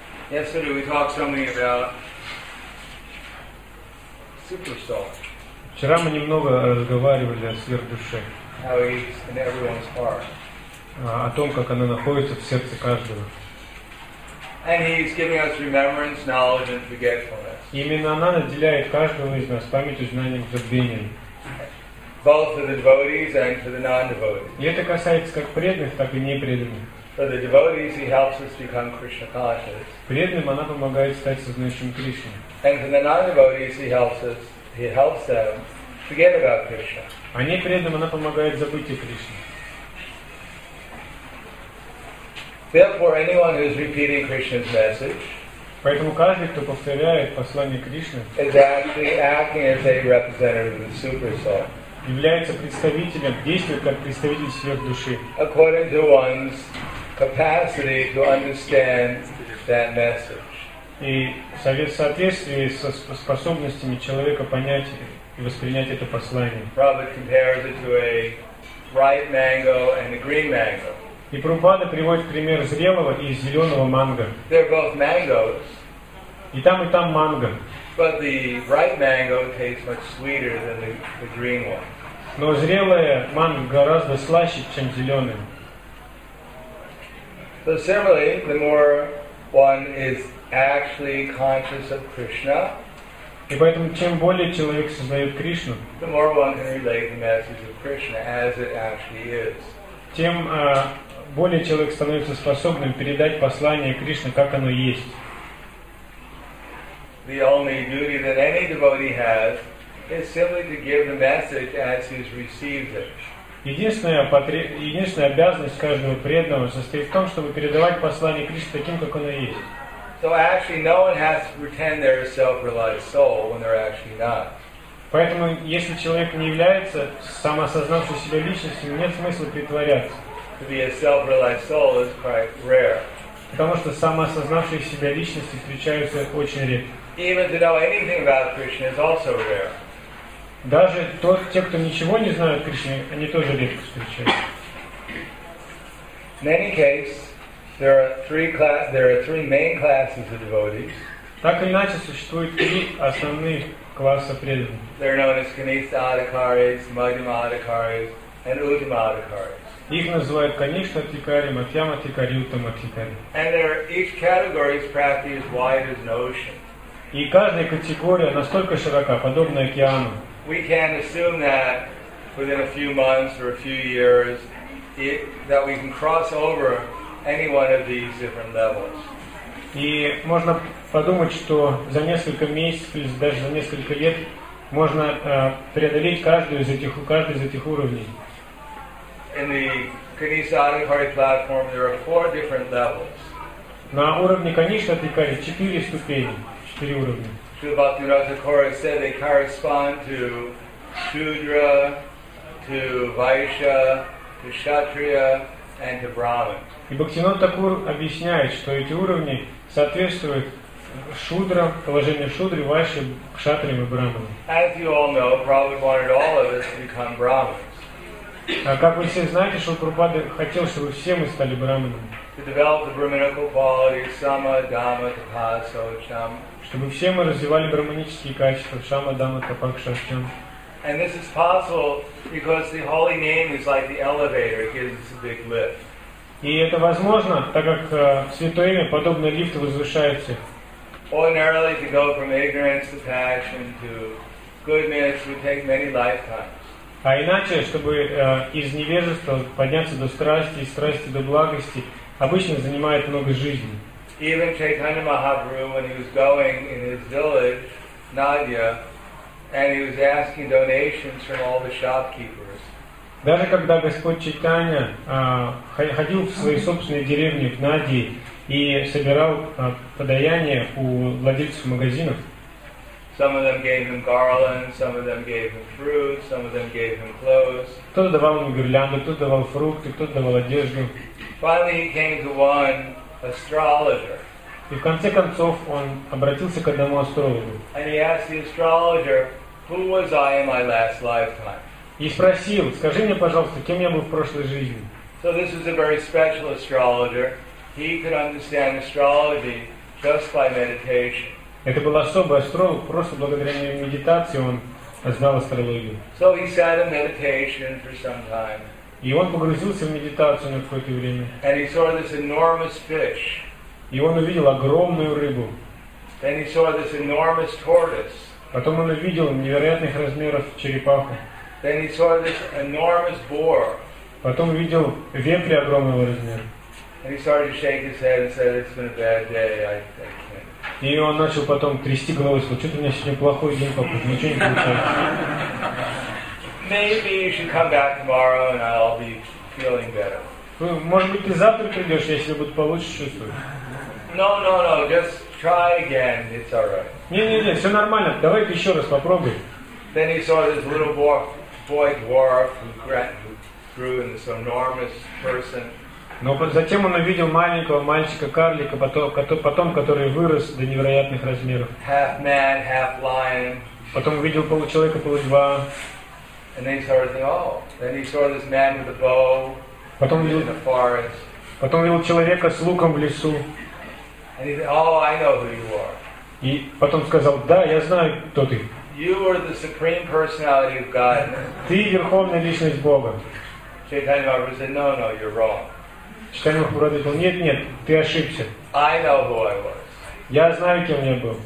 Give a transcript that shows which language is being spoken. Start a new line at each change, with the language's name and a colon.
English: Yesterday we talked something about superstar.
Russian: Вчера мы немного разговаривали о сверхдуше.
English: How it's in everyone's heart.
Russian: О том, как она находится в сердце каждого.
English: And he's giving us remembrance, knowledge, and forgetfulness.
Russian: Именно она наделяет каждого из нас памятью, знанием, забвением.
English: Both for the devotees and for the non-devotees.
Russian: И это касается как преданных, так и непреданных.
English: For the devotees, he helps us become Krishna conscious.
Russian: Преданным она помогает стать сознающим Кришне.
English: And for the non-devotees, he helps them forget about Krishna.
Russian: А непреданным она помогает забыть о Кришне.
English: Therefore, anyone who is repeating Krishna's message,
Russian: поэтому каждый, кто повторяет послание Кришны,
English: is actually acting as a representative of the super soul.
Russian: Является представителем, действует как представитель сверхдуши.
English: According to one's capacity to understand that message.
Russian: И в соответствии со способностями человека понять и воспринять это послание.
English: Prabhupada compares it to a ripe mango and a green mango.
Russian: И Прабхупада приводит пример зрелого и зеленого манго.
English: They're both mangoes.
Russian: И там манго.
English: But the ripe mango tastes much sweeter than the green one.
Russian: Но зрелое манго гораздо слаще, чем зеленое.
English: So similarly, the more one is actually conscious of Krishna,
Russian: и поэтому чем более человек сознает Кришну,
English: the more one can relate the message of Krishna as it actually is.
Russian: Более человек становится способным передать послание Кришны, как оно есть. Единственная обязанность каждого преданного состоит в том, чтобы передавать послание Кришны таким, как оно есть. Поэтому, если человек не является самоосознавшей себя личностью, нет смысла притворяться.
English: To be a self-realized soul is quite rare.
Russian: Потому что самоосознавшие себя личности встречаются очень редко.
English: Even to know anything about Krishna is also rare.
Russian: Даже те, кто ничего не знают о Кришне, они тоже редко встречаются.
English: In any case, there are three main classes of devotees.
Russian: Так или иначе, существует три основных класса преданных.
English: They're known as Kanista Adhikaris, Madhyama Adhikaris, and Uttama Adhikaris.
Russian: Их называют Канишна Тикари, Матьяма Тикари, Уттама Тикари.
English: And each category is practically as wide as an ocean.
Russian: И каждая категория настолько широка, подобна океану.
English: We can assume that within a few months or a few years that we can cross over any one of these different levels.
Russian: И можно подумать, что за несколько месяцев или даже за несколько лет можно преодолеть каждый из этих уровней.
English: In the Kanishtha Adhikari platform, there are four different levels.
Russian: На уровне Kanishtha Adhikari четыре ступени, четыре уровня.
English: Shri Bhaktivinoda Thakura said they correspond to Shudra, to Vaishya, to Kshatriya, and to Brahman.
Russian: И Бхактивинода Такур объясняет, что эти уровни соответствуют Шудрам, положению Шудры, Вайшьи, Кшатриям и Брахманам.
English: As you all know, Prabhupada wanted all of us to become Brahmins.
Russian: Как вы все знаете, что Прабхупада хотел, чтобы все мы стали брахманами. Чтобы все мы развивали брахманические качества, сама, дама, тапа, кшатриям.
English: And this is possible because the holy name is like the elevator, it gives us a big lift.
Russian: И это возможно, так как святое имя подобно лифту возвышает всех.
English: Ordinarily, to go from ignorance to passion to goodness would take many lifetimes.
Russian: А иначе, чтобы из невежества подняться до страсти, из страсти до благости, обычно занимает много жизни.
English: Even Chaitanya Mahaprabhu, when he was going in his village, Nadia, and he was asking donations from all the shopkeepers.
Russian: Даже когда Господь Чайтанья ходил в свои собственные деревни в Надии и собирал подаяние у владельцев магазинов.
English: Some of them gave him garlands, some of them gave him fruit, some of them gave him clothes.
Russian: Кто-то давал ему гирлянду, кто-то давал фрукты, кто-то давал одежду.
English: Finally, he came to one astrologer.
Russian: И в конце концов он обратился к одному астрологу.
English: And he asked the astrologer, who was I in my last lifetime?
Russian: И спросил: скажи мне, пожалуйста, кем я был в прошлой жизни?
English: So this was a very special astrologer. He could understand astrology just by meditation.
Russian: Это был особый астролог, просто благодаря медитации он знал астрологию.
English: So he sat in meditation for some time.
Russian: И он погрузился в медитацию на какое-то время.
English: And he saw this enormous fish.
Russian: И он увидел огромную рыбу.
English: Then he saw this enormous tortoise.
Russian: Потом он увидел невероятных размеров черепаху.
English: Then he saw this enormous boar.
Russian: Потом увидел вепря огромного размера.
English: And he started to shake his head and said, "It's been a bad day. I can't."
Russian: И он начал потом трясти головой, сказал: что-то у меня сегодня плохой день, папа, ничего не получается.
English: Maybe you should come back tomorrow, and I'll be feeling better.
Russian: Может быть, ты завтра придешь, если буду получше чувствовать.
English: No, just try again. It's all right.
Russian: Не, все нормально. Давай ты еще раз попробуй.
English: Then he saw this little boy dwarf who grew into this enormous person.
Russian: Но затем он увидел маленького мальчика-карлика, потом который вырос до невероятных размеров.
English: Half man, half lion.
Russian: Потом увидел получеловека, полудьва.
English: And then he saw the all. Then he saw this man with a bow.
Russian: Потом увидел, человека с луком в лесу.
English: And he said, "Oh, I know who you are."
Russian: И потом сказал: "Да, я знаю, кто ты."
English: You are the supreme personality of God.
Russian: Ты верховная личность Бога.
English: Chaitanya Mahaprabhu said, "No, you're wrong."
Russian: Чайтанья Махапрабху сказал: нет, ты ошибся.
English: I know who I was.
Russian: Я знаю, кем я был.